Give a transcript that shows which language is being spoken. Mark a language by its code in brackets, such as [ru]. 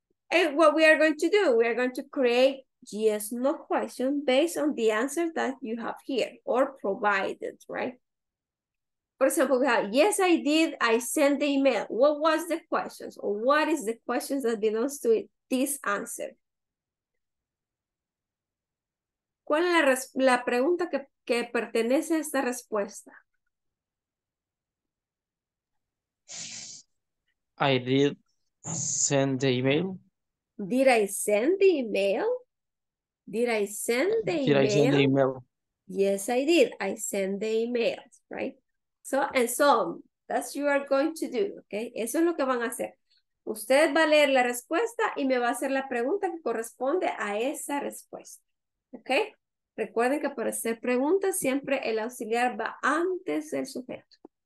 [en] And what we are going to do, we are going to create yes/no question based on the answer that you have here or provided, right? For example, we have, yes, I did, I sent the email. What was the questions? Or what is the questions that belongs to it, this answer? [es] ¿Cuál es la pregunta que pertenece a esta respuesta? [en] I did send the email. Did I send the email? Did I send the email? Did I send the email? Yes, I did, I sent the email, right? So, and so, that's what you are going to do, okay? [es] Eso es lo que van a hacer. Usted va a leer la respuesta y me va a hacer la pregunta que corresponde a esa respuesta, okay? Recuerden que para hacer preguntas siempre el auxiliar va antes del sujeto.